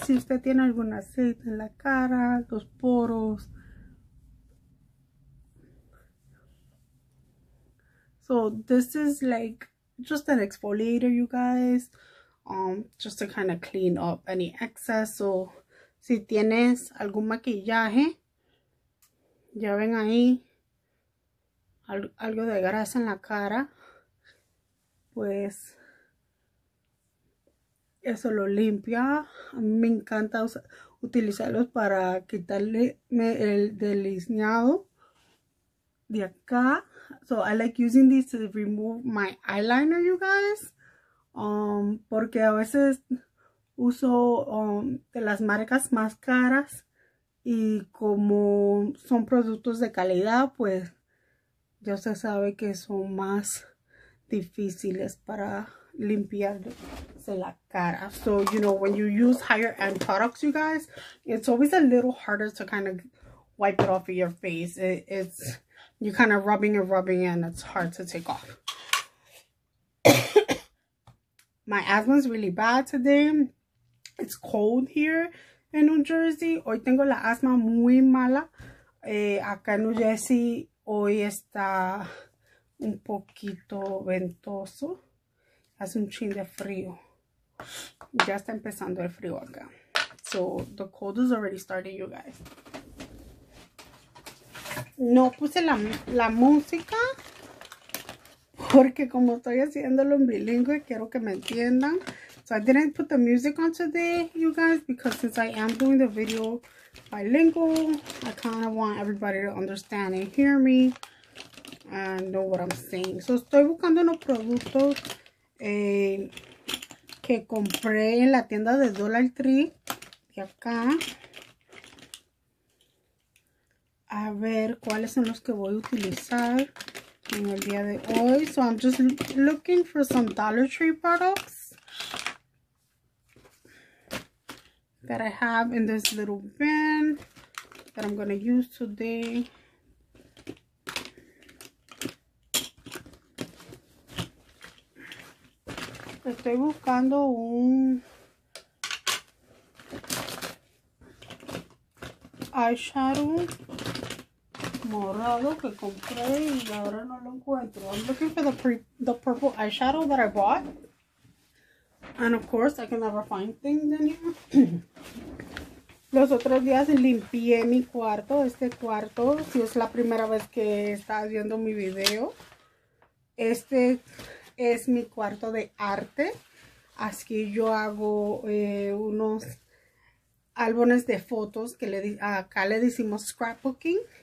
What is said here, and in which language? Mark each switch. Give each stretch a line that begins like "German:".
Spanish: Si usted tiene algún aceite en la cara, los poros.
English: So, this is like just an exfoliator, you guys. Just to kind of clean up any excess.
Spanish: So, si tienes algún maquillaje, ya ven ahí. Algo de grasa en la cara, pues eso lo limpia. A mí me encanta utilizarlos para quitarle el delineado de acá.
English: So I like using these to remove my eyeliner, you guys.
Spanish: Porque a veces uso de las marcas más caras y como son productos de calidad, pues ya se sabe que son más difíciles para limpiarse la cara.
English: So, when you use higher end products, you guys, it's always a little harder to kind of wipe it off of your face. It's, you're kind of rubbing and rubbing and it's hard to take off. My asthma's really bad today. It's cold here in New Jersey.
Spanish: Hoy tengo la asma muy mala. Acá en New Jersey hoy está un poquito ventoso. Hace un chin de frío. Ya está empezando el frío acá.
English: So the cold is already starting, you guys.
Spanish: No puse la música porque como estoy haciéndolo en bilingüe, quiero que me entiendan.
English: So I didn't put the music on today, you guys, because since I am doing the video bilingual, I kind of want everybody to understand and hear me and know what I'm saying.
Spanish: So estoy buscando unos productos que compré en la tienda de Dollar Tree de acá. A ver cuáles son los que voy a utilizar en el día de hoy.
English: So I'm just looking for some Dollar Tree products that I have in this little bin that I'm gonna use today.
Spanish: Estoy buscando un eyeshadow morado que compré y ahora no lo encuentro.
English: I'm looking for the purple eyeshadow that I bought. And of course, I can never find things in here.
Spanish: Los otros días limpié mi cuarto, este cuarto. Si es la primera vez que estás viendo mi video, este es mi cuarto de arte. Así que yo hago unos álbumes de fotos que acá le decimos scrapbooking.